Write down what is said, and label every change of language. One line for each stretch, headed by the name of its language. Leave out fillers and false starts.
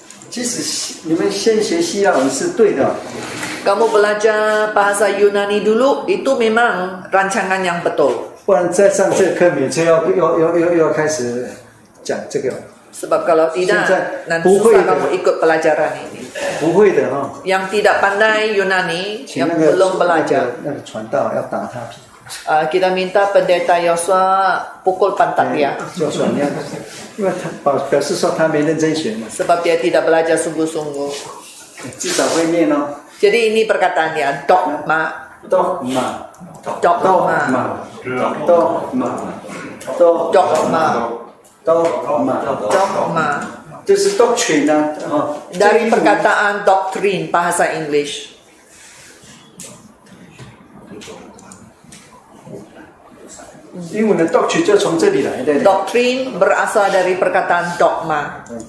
Chinese: 其实你们先学希腊文是对的。
Malay: Kamu belajar bahasa Yunani dulu, itu memang rancangan yang betul.
Chinese: 不然再上这课，每次要开始讲这个。
Malay: Sebab kalau tidak, nanti susah kamu ikut pelajaran ini.
Chinese: 不会的哈。
Malay: Yang tidak pandai Yunani, yang belum belajar.
Chinese: 那个传道要打他屁
Malay: 股。Kita minta pendeta Yosua pukul pantat dia.
Chinese: Yosua, 因为他表示说他没认真学嘛。
Malay: Sebab dia tidak belajar sungguh-sungguh.
Chinese: 至少会念哦。
Malay: Jadi ini perkataannya dogma. Dogma. Dogma. Dogma. Dogma. Dogma. Dogma. Dogma.
Chinese: 这是 doctrine 啊。
Malay: Dari perkataan doctrine bahasa English.
Chinese: 英文的 doctrine 就从这里来的。
Malay: Doctrine berasal dari perkataan dogma.